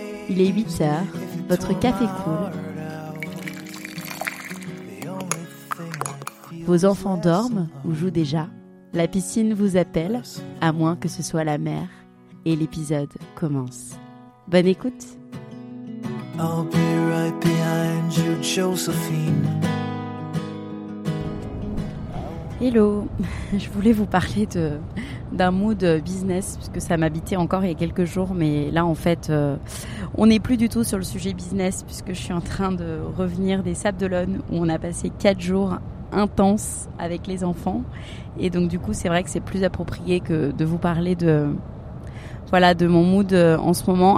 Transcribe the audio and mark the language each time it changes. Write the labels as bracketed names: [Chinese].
[French] Il est 8h, votre café coule. Vos enfants dorment ou jouent déjà. La piscine vous appelle, à moins que ce soit la mer. Et l'épisode commence. Bonne écoute. [English] I'll be right behind you, Josephine. [French] Hello, je voulais vous parler d'un mood business, puisque ça m'habitait encore il y a quelques jours, mais là en fait, on n'est plus du tout sur le sujet business, puisque je suis en train de revenir des Sables d'Olonne, où on a passé 4 jours intenses avec les enfants, et donc du coup c'est vrai que c'est plus approprié que de vous parler de mon mood en ce moment.